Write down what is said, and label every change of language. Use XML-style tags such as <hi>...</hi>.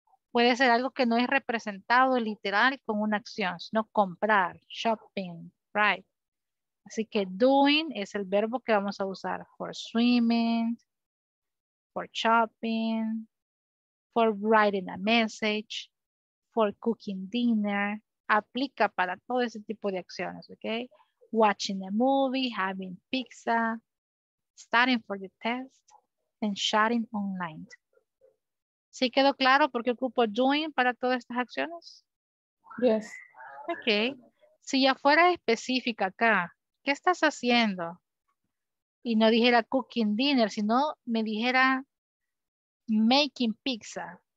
<es>Puede ser algo que no es representado literal con una acción, sino comprar, shopping, right? Así que</es> <en>doing</en> <es>es el verbo que vamos a usar</es> <en>for swimming, for shopping, for writing a message, for cooking dinner.</en> <es>Aplica para todo ese tipo de acciones, ¿ok?</es> <en>Watching a movie, having pizza, studying for the test, and chatting online.</en> <es>¿Sí quedó claro por qué ocupo doing para todas estas acciones?</es> <en>Yes. Ok.</en> <es>Si ya fuera específica acá, ¿qué estás haciendo? Y no dijera</es> <en>cooking dinner,</en> <es>sino me dijera</es> <en>making pizza.</en>